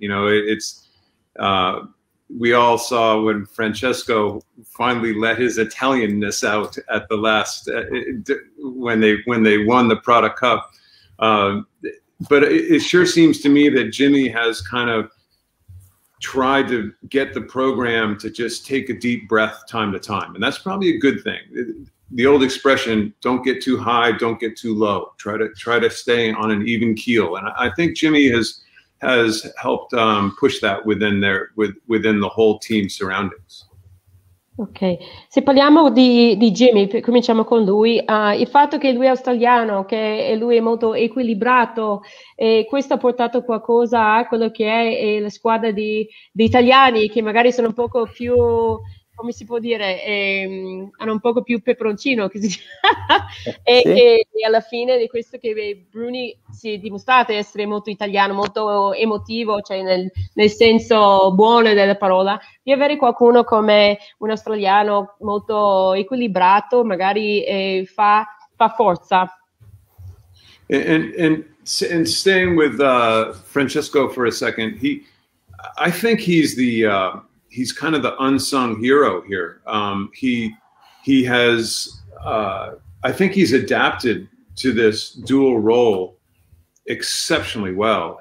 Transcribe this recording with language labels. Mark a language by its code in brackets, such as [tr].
[en] You know, we all saw when Francesco finally let his Italianness out at the last when they won the Prada Cup, but it sure seems to me that Jimmy has kind of tried to get the program to just take a deep breath time to time. And that's probably a good thing. The old expression, don't get too high, don't get too low. Try to stay on an even keel. And I think Jimmy has helped push that within the whole team surroundings. [it] Ok, se parliamo di Jimmy, cominciamo con lui. Il fatto che lui è australiano, che lui è molto equilibrato, e questo ha portato qualcosa a quello che è la squadra di italiani, che magari sono un poco più, come si può dire, hanno un poco più peperoncino, che si chiama. E alla fine di questo che Bruni si è dimostrato essere molto italiano, molto emotivo, cioè nel senso buono della parola, di avere qualcuno come un australiano molto equilibrato, magari fa forza. [en] And staying with Francesco for a second, he's kind of the unsung hero here. I think he's adapted to this dual role exceptionally well.